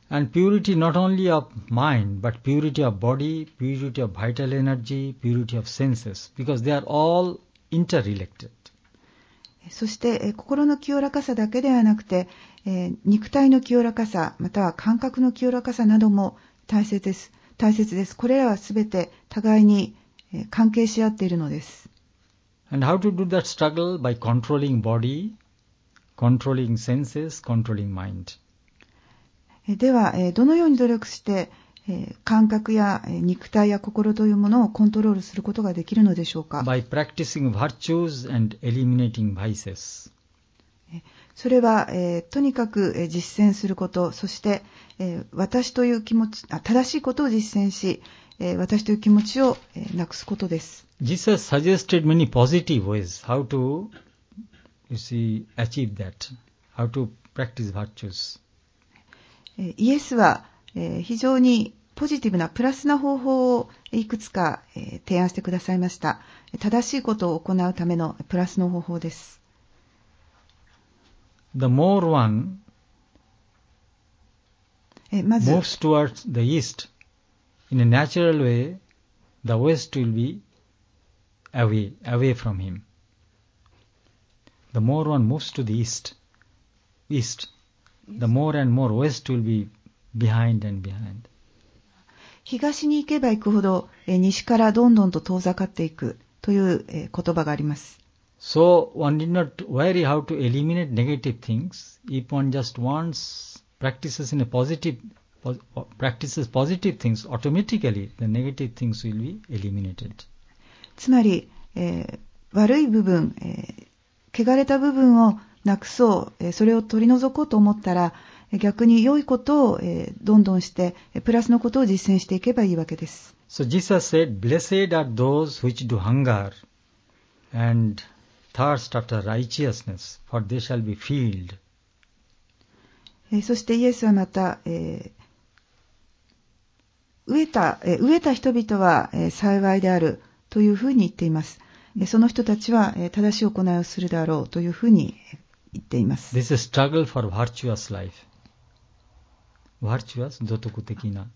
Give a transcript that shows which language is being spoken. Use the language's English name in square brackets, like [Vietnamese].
[English] And purity not only of mind, but purity of body, purity of vital energy, purity of senses, because they are all interrelated. [Japanese] そして、心の清らかさだけではなくて、肉体の清らかさ、または感覚の清らかさなども大切です。大切です。これらはすべて互いに関係し合っているのです。 [English] And how to do that struggle? By controlling body, controlling senses, controlling mind. [Japanese] では、どのように努力して、感覚や肉体や心というものをコントロールすることができるのでしょうか? [English] By practicing virtues and eliminating vices. [Japanese] それは、とにかく実践すること、そして、私という気持ち、正しいことを実践し、私という気持ちをなくすことです。 [English] Jesus suggested many positive ways how to, you see, achieve that, how to practice virtues. [Japanese] イエスは非常にポジティブなプラスな方法をいくつか提案してくださいました。正しいことを行うためのプラスの方法です。 [English] The more one [Japanese] まず、 [English] moves towards the east. In a natural way, the West will be away from him. The more one moves to the East, the more and more West will be behind and behind. [Japanese] 東に行けば行くほど、西からどんどんと遠ざかっていくという、言葉があります。 [English] So one need not worry how to eliminate negative things. If one just wants practices in a positive way,practices positive things automatically, the negative things will be eliminated. [Japanese] つまり、悪い部分、汚れた部分をなくそう、それを取り除こうと思ったら、逆に良いことをどんどんしてプラスのことを実践していけばいいわけです。 [English] So Jesus said, blessed are those which do hunger and thirst after righteousness, for they shall be filled. [Japanese] そしてイエスはまた、飢えた人々は幸いであるというふうに言っています。その人たちは正しい行いをするだろうというふうに言っています。 [English] This is struggle for virtuous life. Virtuous, 道徳的な。